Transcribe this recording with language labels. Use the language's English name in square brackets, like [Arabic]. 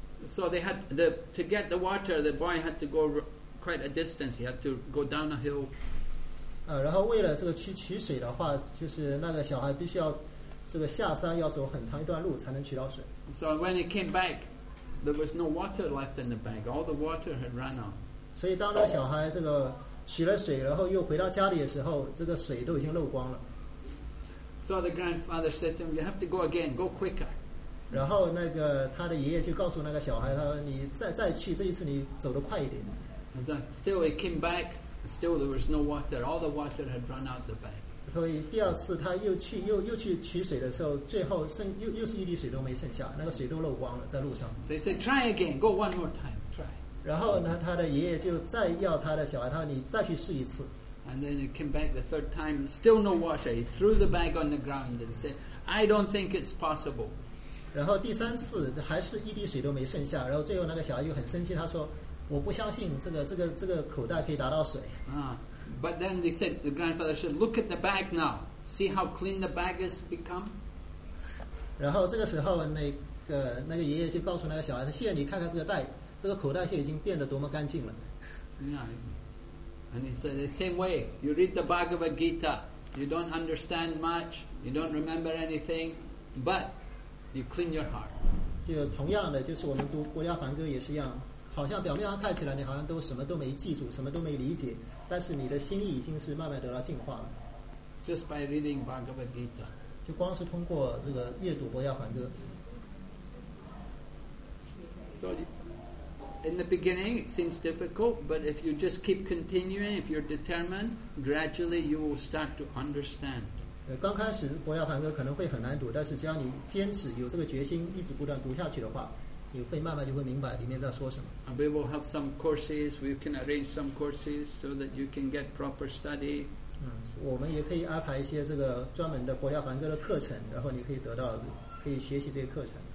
[English] So they had the to get the water. The boy had to go quite a distance. He had to go down a hill. [Chinese] 然后为了这个取水的话，就是那个小孩必须要这个下山要走很长一段路才能取到水。 [English] So when he came back, there was no water left in the bag. All the water had run out. [Chinese] 所以当那小孩这个取了水，然后又回到家里的时候，这个水都已经漏光了。 [English] So the grandfather said to him, "You have to go again. Go quicker." [Chinese] 然后那个他的爷爷就告诉那个小孩，他说：“你再去，这一次你走得快一点。 [English] ”And still he came back. Still, there was no water. All the water had run out the bag. [Chinese] 所以第二次他又去取水的时候，最后又是一滴水都没剩下，那个水都漏光了，在路上。 [English] So he said, "Try again. Go one more time. Try." [Chinese] 然后呢，他的爷爷就再要他的小孩，他说：“你再去试一次。 [English] ”And then he came back the third time. Still no water. He threw the bag on the ground and said, "I don't think it's possible." [Chinese] 然后第三次还是一滴水都没剩下，然后最后那个小孩又很生气，他说。我不相信这个口袋可以达到水。 [English] But then they said, the grandfather said, "Look at the bag now. See how clean the bag has become." [Chinese] 然后这个时候，那个爷爷就告诉那个小孩说：“现在你看看这个袋，这个口袋现在已经变得多么干净了。 [English] ”And he said, "The same way. You read the Bhagavad Gita. You don't understand much. You don't remember anything. But you clean your heart." [Chinese] 就同样的，就是我们读《般若梵歌》也是一样。好像表面上看起来你好像都什么都没记住，什么都没理解，但是你的心意已经是慢慢得到净化了。 [English] Just by reading Bhagavad Gita， [Chinese] 就光是通过这个阅读《般若梵歌》。 [English] So in the beginning it seems difficult, but if you just keep continuing, if you're determined, gradually you will start to understand. [Chinese] 刚开始《般若梵歌》可能会很难读，但是只要你坚持有这个决心，一直不断读下去的话。你会慢慢就会明白里面在说什么。 [English] And we will have some courses. We can arrange some courses so that you can get proper study. [Chinese] 我们也可以安排一些这个专门的《般若梵歌》的课程，然后你可以得到，可以学习这些课程。